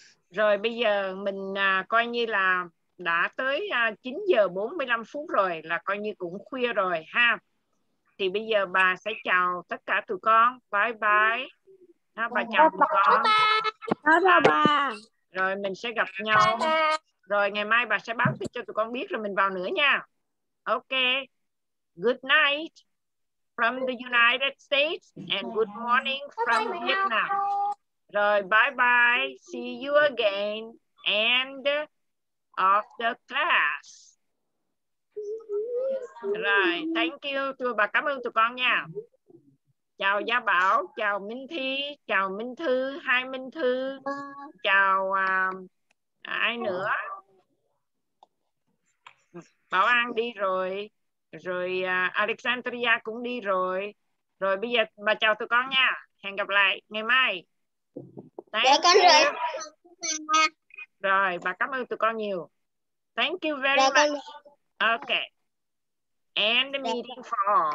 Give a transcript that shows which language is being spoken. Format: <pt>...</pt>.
<vi>Rồi bây giờ mình coi như là đã tới 9:45 rồi, là coi như cũng khuya rồi ha. Thì bây giờ bà sẽ chào tất cả tụi con.</vi> <en>Bye bye.</en> <vi>Ha, bà chào tụi con.</vi> <en>Bye bye.</en> <vi>Rồi mình sẽ gặp nhau. Rồi ngày mai bà sẽ báo tin cho tụi con biết rồi mình vào nữa nha.</vi> <en>Ok. Good night from the United States and good morning from Vietnam. Rồi bye bye. See you again. End of the class.</en> <vi>Rồi.</vi> <en>Thank you.</en> <vi>Tụi bà cảm ơn tụi con nha. Chào Gia Bảo, chào Minh Thi, chào Minh Thư, hai Minh Thư, chào ai nữa? Bảo An đi rồi, rồi Alexandria cũng đi rồi. Rồi bây giờ bà chào tụi con nha, hẹn gặp lại ngày mai. Thank con rồi. Rồi, bà cảm ơn tụi con nhiều.</vi> <en>Thank you very much. Okay, end the meeting for all.</en>